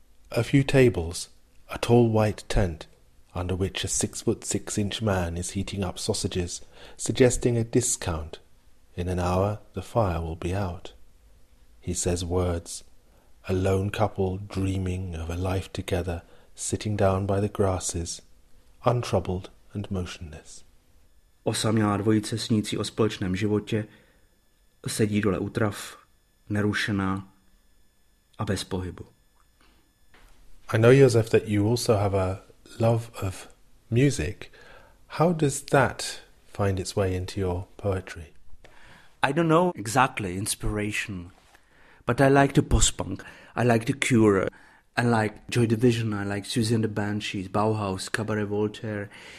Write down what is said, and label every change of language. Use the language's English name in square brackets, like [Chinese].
[English] A few tables, a tall white tent, under which a 6'6" man is heating up sausages, suggesting a discount. In an hour, the fire will be out. He says words, a lone couple dreaming of a life together, sitting down by the grasses, untroubled and motionless. [Czech] Osamělá dvojice snící o společném životě sedí dole u trav, nerušená a bez pohybu. [English] I know, Josef, that you also have a love of music. How does that find its way into your poetry? I don't know exactly inspiration, but I like the post-punk, I like the Cure, I like Joy Division, I like Susie and the Banshees, Bauhaus, Cabaret Voltaire.